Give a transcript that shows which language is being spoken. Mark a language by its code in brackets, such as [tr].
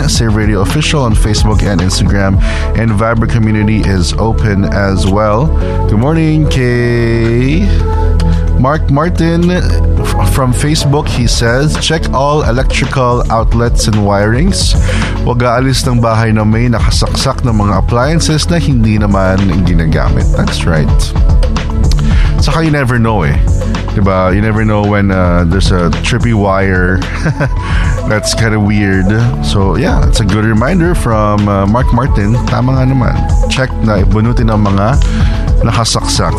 [en] Save Radio Official on Facebook and Instagram. And Viber Community is open as well. Good morning, Kay. Mark Martin from Facebook, he says, check all electrical outlets and wirings. [tl] Huwag aalis ng bahay na may nakasaksak ng mga appliances na hindi naman ginagamit. [en] That's right. Saka you never know, eh. Diba? You never know when there's a trippy wire that's kind of weird. So yeah, it's a good reminder from Mark Martin. [tl] Tama nga naman. Check na ibunutin ang mga nakasaksak.